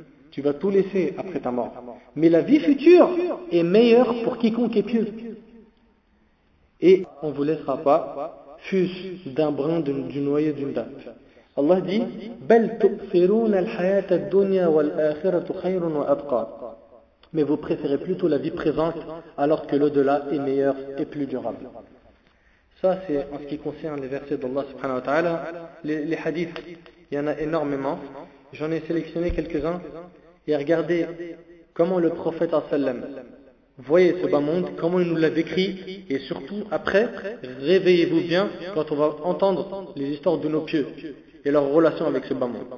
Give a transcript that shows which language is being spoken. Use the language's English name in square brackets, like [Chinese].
[French] Tu vas tout laisser après ta mort. Mais la vie future est meilleure pour quiconque est pieux. Et on ne vous laissera pas, fût-ce d'un brin du noyau d'une date. Allah dit, [Arabic] بَلْ تُؤْثِرُونَ الْحَيَاةَ الدُّنْيَا وَالْآخِرَةُ خَيْرٌ وَأَبْقَى. [French] Mais vous préférez plutôt la vie présente alors que l'au-delà est meilleur et plus durable. Ça, c'est en ce qui concerne les versets d'Allah subhanahu wa ta'ala. Les hadiths, il y en a énormément. J'en ai sélectionné quelques-uns et regardez comment le prophète sallam voyait ce bas monde, comment il nous l'a décrit et surtout après, réveillez-vous bien quand on va entendre les histoires de nos pieux et leur relation avec ce bas monde.